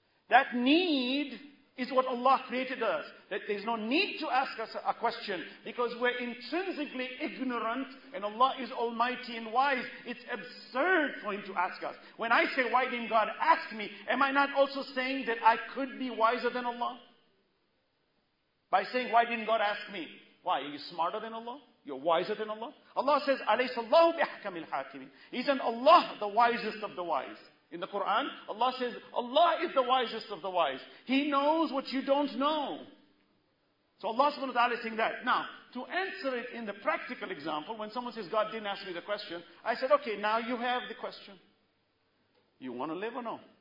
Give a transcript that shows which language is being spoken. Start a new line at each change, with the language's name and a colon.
English: That need is what Allah created us. That there's no need to ask us a question because we're intrinsically ignorant and Allah is almighty and wise. It's absurd for Him to ask us. When I say, why didn't God ask me? Am I not also saying that I could be wiser than Allah? By saying, why didn't God ask me? Why? Are you smarter than Allah? You're wiser than Allah? Allah says,
Arabic: أَلَيْسَ اللَّهُ بِأَحْكَمِ الْحَاكِمِ.
English: Isn't Allah the wisest of the wise? In the Quran, Allah says, Allah is the wisest of the wise. He knows what you don't know. So Allah subhanahu wa ta'ala is saying that. Now, to answer it in the practical example, when someone says, God didn't ask me the question, I said, okay, now you have the question. You want to live or no?